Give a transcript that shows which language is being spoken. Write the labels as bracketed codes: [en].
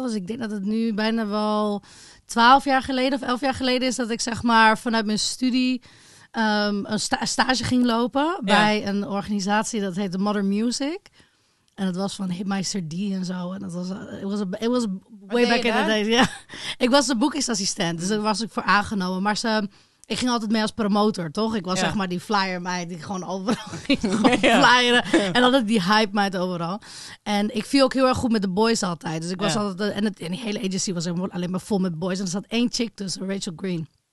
[nl] Dus ik denk dat het nu bijna wel... 11 jaar geleden is dat ik zeg maar vanuit mijn studie stage ging lopen bij een organisatie dat heette Mother Music. En dat was van Hitmeister D en zo. En dat was, [en] it was way back in the days. [nl] Ja. Ik was de boekingsassistent, dus daar was ik voor aangenomen. Maar ik ging altijd mee als promotor, toch? Ik was zeg maar die flyer meid die gewoon overal ging flyeren. Ja. En altijd die hype meid overal. En ik viel ook heel erg goed met de boys altijd. Dus ik was altijd... En die hele agency was alleen maar vol met boys. En er zat één chick tussen, Rachel Green.